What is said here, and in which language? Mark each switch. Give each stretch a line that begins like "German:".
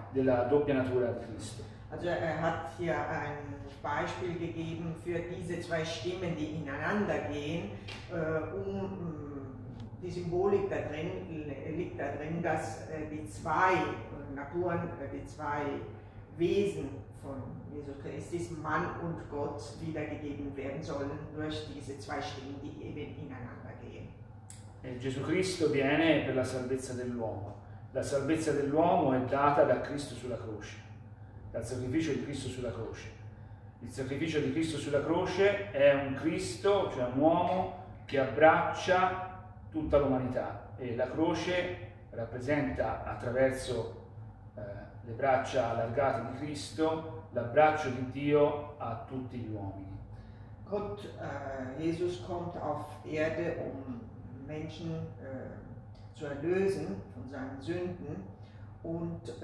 German: Hat hier ein Beispiel gegeben für diese zwei Stimmen, die ineinander gehen, um die Symbolik da drin, liegt da drin, dass die zwei Naturen, die zwei Wesen von Jesus Christus, Mann und Gott, wiedergegeben werden sollen durch diese zwei Stimmen, die eben ineinander gehen.
Italian: Gesù Cristo viene per la salvezza dell'uomo. La salvezza dell'uomo è data da Cristo sulla croce, dal sacrificio di Cristo sulla croce. Il sacrificio di Cristo sulla croce è un Cristo, cioè un uomo, che abbraccia tutta l'umanità. E la croce rappresenta, attraverso le braccia allargate di Cristo, l'abbraccio di Dio a tutti gli uomini.
German: Gott, Jesus kommt auf Erde, um Menschen zu erlösen von seinen Sünden und